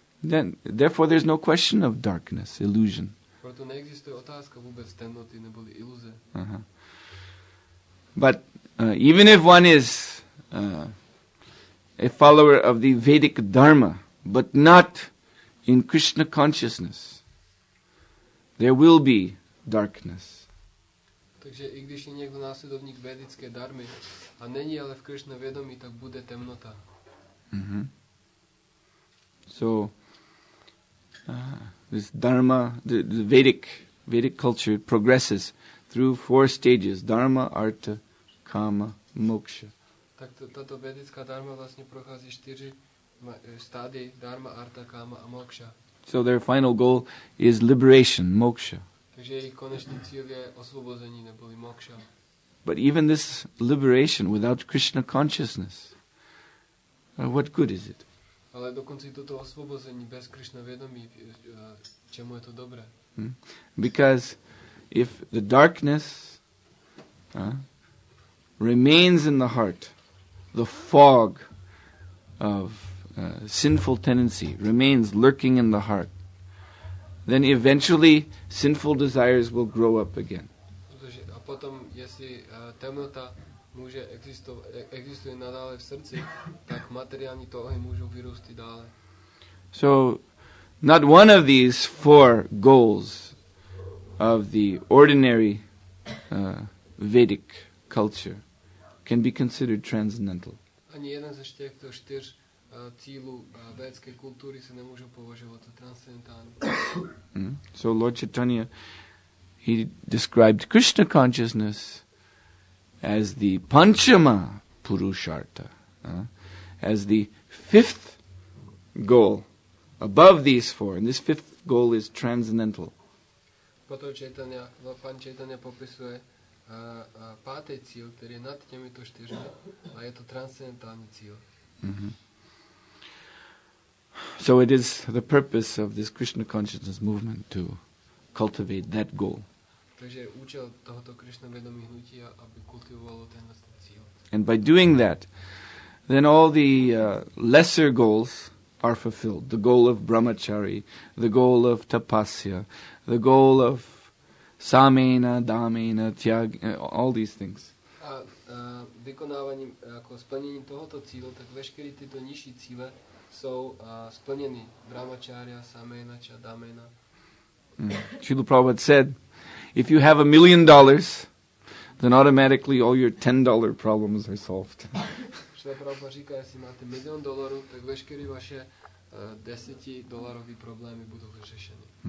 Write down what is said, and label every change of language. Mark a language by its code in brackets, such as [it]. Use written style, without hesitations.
[en] Then, therefore, there's no question of darkness, illusion. [cs] Proto neexistuje otázka vůbec temnoty nebo iluze. Uh-huh. [en] But even if one is a follower of the Vedic Dharma, but not in Krishna consciousness, there will be darkness. [cs] Takže i když je někdo následovník vedické dharmy a není ale v Krishna vědomí, tak bude temnota. Mm-hmm. [en] So this dharma, the Vedic culture progresses through four stages: dharma, artha, kama, moksha. [cs] Tak tato vedická dharma vlastně prochází čtyři stády: dharma, artha, kama a moksha. [en] So their final goal is liberation, moksha. [cs] Takže jejich konečný cíl je osvobození neboli moksha. [en] But even this liberation without Krishna consciousness, what good is it? [cs] Ale dokonce i toto osvobození bez Krishna vědomí, čemu je to dobré? Hmm? [en] Because if the darkness remains in the heart, the fog of sinful tendency remains lurking in the heart, then eventually sinful desires will grow up again. [cs] Protože a potom, jestli temnota může existuje nadále v srdci, tak materiální touhy můžou vyrůstat dále. [en] So not one of these four goals of the ordinary Vedic culture can be considered transcendental. [cs] Ani jeden ze těchto čtyř cílu védské kultury se nemůže považovat za transcendentální. [en] So Lord Chaitanya, he described Krishna consciousness as the panchama purushartha, as the fifth goal above these four. And this fifth goal is transcendental. [cs] Proto Chaitanya, pan Chaitanya popisuje pátý cíl, který je nad těmito čtyřmi, a je to transcendentální cíl. Mm-hmm. [en] So it is the purpose of this Krishna consciousness movement to cultivate that goal. [cs] Takže účel tohoto Krishna vědomí hnutí, aby kultivovalo tenhle cíl. [en] And by doing that, then all the lesser goals are fulfilled. The goal of brahmachari, the goal of tapasya, the goal of samena, dhamena, tyag, all these things. [cs] vykonávaním, jako splněním tohoto cílu, tak veškeré tyto nižší cíle jsou splněny. [sa] Brahmacharya, Samena, Chadamena. [en] Srila Prabhupada said, if you have $1,000,000, then automatically all your $10 problems are solved. [cs] Srila Prabhupada říká, jestli máte $1,000,000, tak veškeré vaše $10 problémy budou vyřešeny.